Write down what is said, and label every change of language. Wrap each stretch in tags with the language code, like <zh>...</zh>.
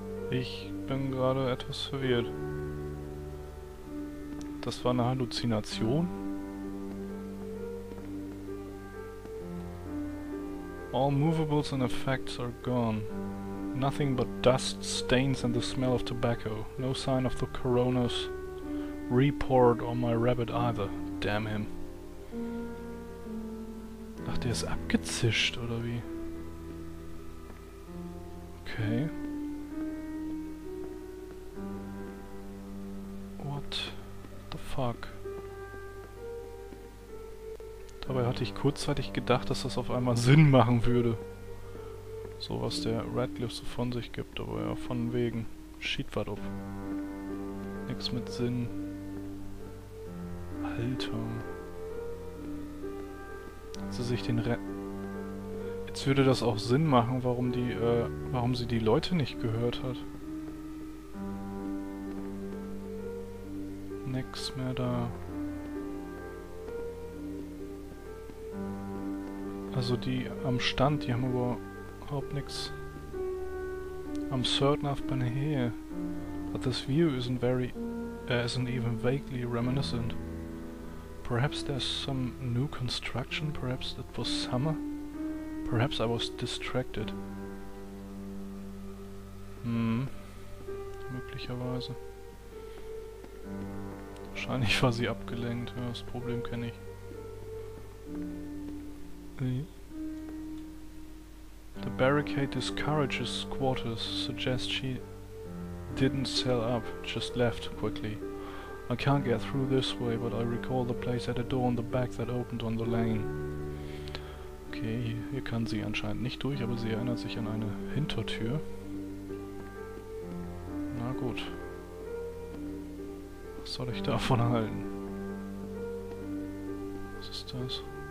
<de>Ich bin gerade etwas verwirrt. Das war eine Halluzination?</de> <en>All movables and effects are gone. Nothing but dust, stains and the smell of tobacco. No sign of the Coroner's report on my rabbit either. Damn him.</en> <de>Ach, der ist abgezischt, oder wie?</de> <en>Okay. What the fuck?</en> <de>Dabei hatte ich kurzzeitig gedacht, dass das auf einmal Sinn machen würde. So was der Radcliffe so von sich gibt, aber ja, von wegen. Schied wat up. Nix mit Sinn. Alter. Hat sie sich den Jetzt würde das auch Sinn machen, warum die, warum sie die Leute nicht gehört hat. Nix mehr da. Also die am Stand, die haben aber überhaupt nichts.</de> <en>I'm certain I've been here. But this view isn't very... isn't even vaguely reminiscent. Perhaps there's some new construction? Perhaps it was summer? Perhaps I was distracted.</en> <de>Hm. Möglicherweise. Wahrscheinlich war sie abgelenkt. Ja, das Problem kenne ich.</de> <en>The barricade discourages squatters, suggests she didn't sell up, just left quickly. I can't get through this way, but I recall the place had a door in the back that opened on the lane.</en> <de>Okay, hier kann sie anscheinend nicht durch, aber sie erinnert sich an eine Hintertür. Na gut. Was soll ich davon halten? Was ist das?</de>